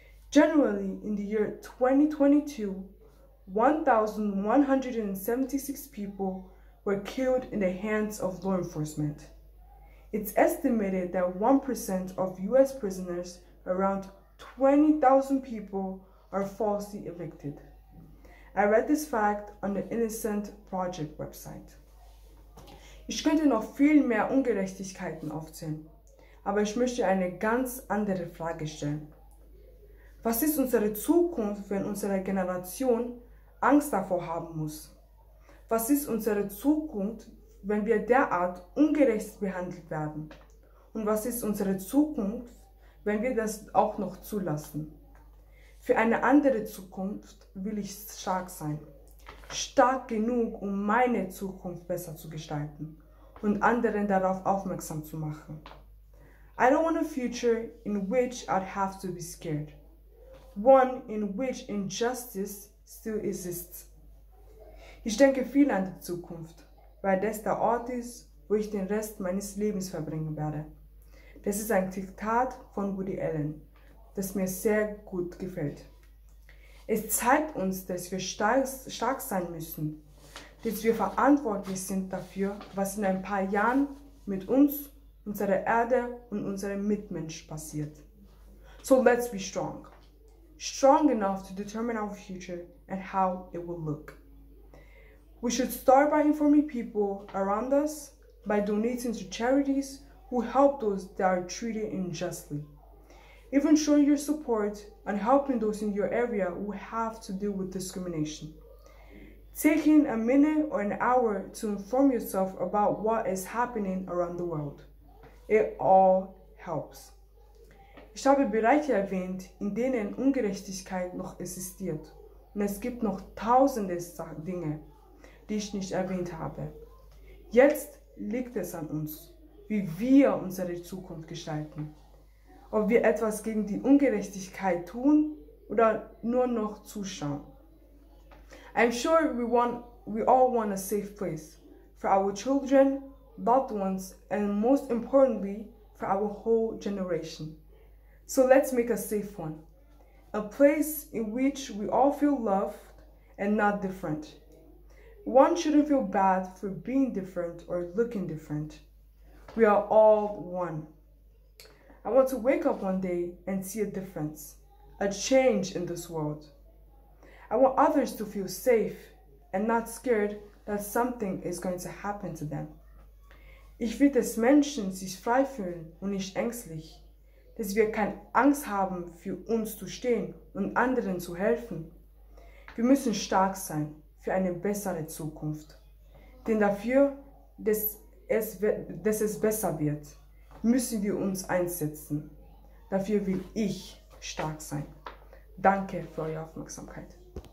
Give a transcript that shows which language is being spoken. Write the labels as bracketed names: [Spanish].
[English] Generally, in the year 2022, 1,176 people were killed in the hands of law enforcement. It's estimated that 1% of US prisoners, around 20,000 people, are falsely evicted. I read this fact on the Innocent Project website. [German] Ich könnte noch viel mehr Ungerechtigkeiten aufzählen, aber ich möchte eine ganz andere Frage stellen. Was ist unsere Zukunft, wenn unsere Generation Angst davor haben muss? Was ist unsere Zukunft, wenn wir derart ungerecht behandelt werden? Und was ist unsere Zukunft, wenn wir das auch noch zulassen? Für eine andere Zukunft will ich stark sein. Stark genug, um meine Zukunft besser zu gestalten und anderen darauf aufmerksam zu machen. [English] I don't want a future in which I'd have to be scared. One in which injustice still exists. [German] Ich denke viel an die Zukunft, weil das der Ort ist, wo ich den Rest meines Lebens verbringen werde. Das ist ein Zitat von Woody Allen, das mir sehr gut gefällt. Es zeigt uns, dass wir stark sein müssen, dass wir verantwortlich sind dafür, was in ein paar Jahren mit uns, unserer Erde und unserem Mitmensch passiert. [English] So let's be strong. Strong enough to determine our future and how it will look. We should start by informing people around us, by donating to charities who help those that are treated unjustly. Even showing your support and helping those in your area who have to deal with discrimination. Taking a minute or an hour to inform yourself about what is happening around the world. It all helps. [German] Ich habe bereits erwähnt, in denen Ungerechtigkeit noch existiert. Und es gibt noch tausende Dinge, die ich nicht erwähnt habe. Jetzt liegt es an uns, wie wir unsere Zukunft gestalten. Ob wir etwas gegen die Ungerechtigkeit tun oder nur noch zuschauen. [English] I'm sure we all want a safe place for our children, loved ones, and most importantly, for our whole generation. So let's make a safe one. A place in which we all feel loved and not different. One shouldn't feel bad for being different or looking different. We are all one. I want to wake up one day and see a difference, a change in this world. I want others to feel safe and not scared that something is going to happen to them. [German] Ich will, dass Menschen sich frei fühlen und nicht ängstlich, dass wir keine Angst haben, für uns zu stehen und anderen zu helfen. Wir müssen stark sein für eine bessere Zukunft, denn dafür, dass es besser wird, müssen wir uns einsetzen. Dafür will ich stark sein. Danke für eure Aufmerksamkeit.